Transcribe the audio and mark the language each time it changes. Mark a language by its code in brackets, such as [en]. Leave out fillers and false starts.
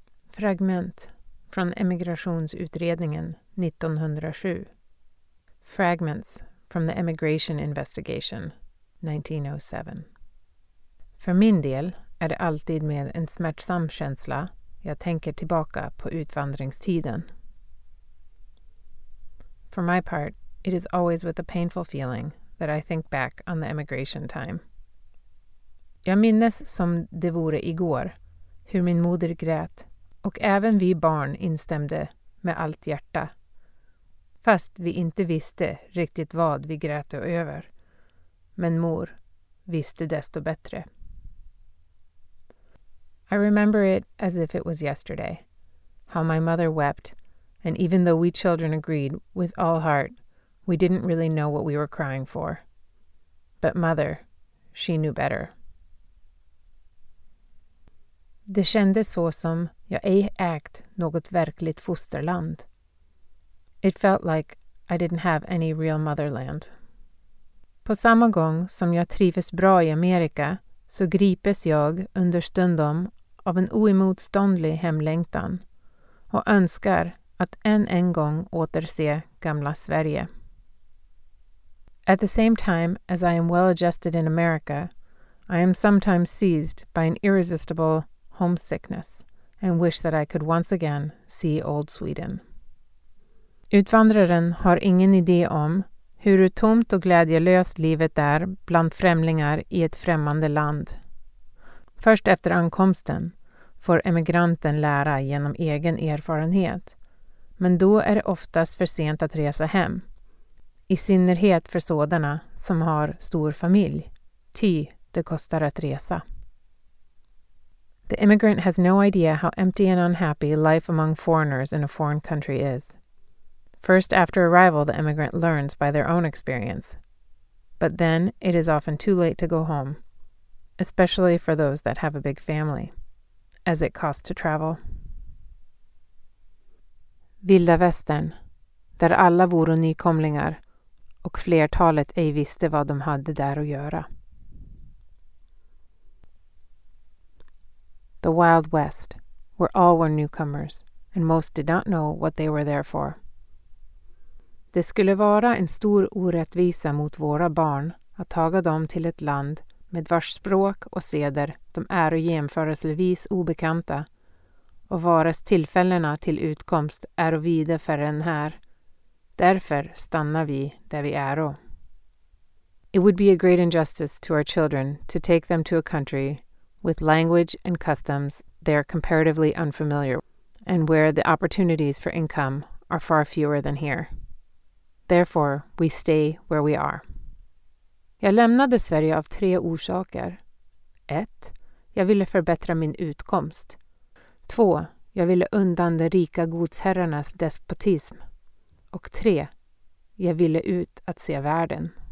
[sv] Fragment från emigrationsutredningen 1907. [en] Fragments from the Emigration Investigation 1907. [sv] För min del är det alltid med en smärtsam känsla jag tänker tillbaka på utvandringstiden. [en] For my part, it is always with a painful feeling that I think back on the emigration time. [sv] Jag minnes som det vore igår hur min moder grät och även vi barn instämde med allt hjärta, fast vi inte visste riktigt vad vi grät över. Men mor visste desto bättre. [en] I remember it as if it was yesterday, how my mother wept, and even though we children agreed with all heart, we didn't really know what we were crying for. But mother, she knew better. [sv] Det kändes så som jag ej ägt något verkligt fosterland. [en] It felt like I didn't have any real motherland. [sv] På samma gång som jag trivs bra i Amerika så gripes jag understundom av en oemotståndlig hemlängtan och önskar att än en gång återse gamla Sverige. [en] At the same time as I am well adjusted in America, I am sometimes seized by an irresistible homesickness and wish that I could once again see old Sweden. [sv] Utvandraren har ingen idé om hur tomt och glädjelöst livet är bland främlingar i ett främmande land. Först efter ankomsten får emigranten lära genom egen erfarenhet, men då är det oftast för sent att resa hem, i synnerhet för sådana som har stor familj, ty det kostar att resa. [en] The immigrant has no idea how empty and unhappy life among foreigners in a foreign country is. First after arrival, the immigrant learns by their own experience. But then it is often too late to go home, especially for those that have a big family, as it costs to travel. [sv] Vilda västern, där alla voro nykomlingar och flertalet ej visste vad de hade där att göra. [en] The Wild West, where all were newcomers, and most did not know what they were there for. [sv] Det skulle vara en stor orättvisa mot våra barn att taga dem till ett land med vars språk och seder de är och jämförelsevis obekanta och varas tillfällena till utkomst är och vida för en här. Därför stannar vi där vi är och. [en] It would be a great injustice to our children to take them to a country with language and customs they are comparatively unfamiliar and where the opportunities for income are far fewer than here. Therefore, we stay where we are. [sv] Jag lämnade Sverige av tre orsaker. 1. Jag ville förbättra min utkomst. 2. Jag ville undan de rika godsherrarnas despotism. Och 3. Jag ville ut att se världen.